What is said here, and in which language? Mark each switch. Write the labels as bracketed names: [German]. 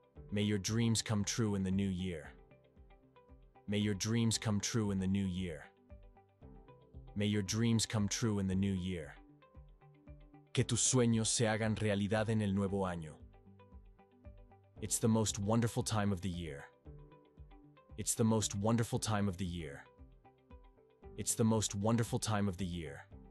[English] May your dreams come true in the new year. May your dreams come true in the new year. May your dreams come true in the new year. [Spanish] Que tus sueños se hagan realidad en el nuevo año. [English] It's the most wonderful time of the year. It's the most wonderful time of the year. It's the most wonderful time of the year.